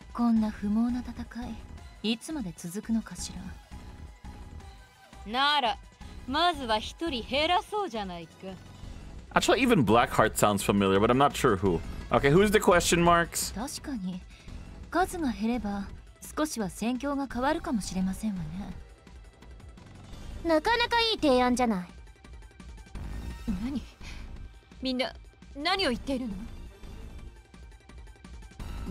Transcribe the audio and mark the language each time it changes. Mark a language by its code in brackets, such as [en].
[ja] んな不毛な戦い、いつまで続くのかしら。なら、まずは一人減らそうじゃないか。 [en] Actually, even Blackheart sounds familiar, but I'm not sure who. Okay, who's the question marks? [ja] 確かに、数が減れば、少しは戦況が変わるかもしれませんわね。なかなかいい提案じゃない。何？みんな、何を言っているの？